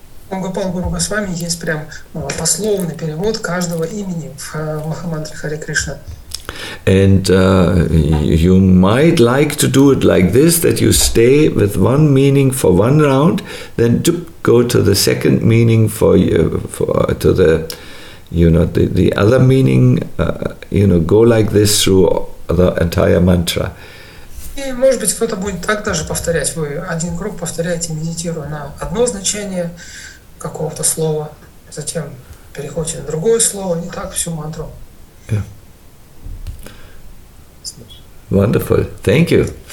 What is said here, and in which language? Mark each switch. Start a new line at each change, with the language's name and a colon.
Russian: У Гопал Гуру Госвами есть прям пословный перевод каждого имени в Махамантре Харе Кришна.
English: And you might like to do it like this, that you stay with one meaning for one round, then go to the second meaning for the other meaning, go like this through the entire mantra.
Russian: И, может быть, кто-то будет так даже повторять. Вы один круг повторяете, медитируя на одно значение какого-то слова, затем переходите на другое слово, не так всю мантру.
English: Yeah. Wonderful, thank you.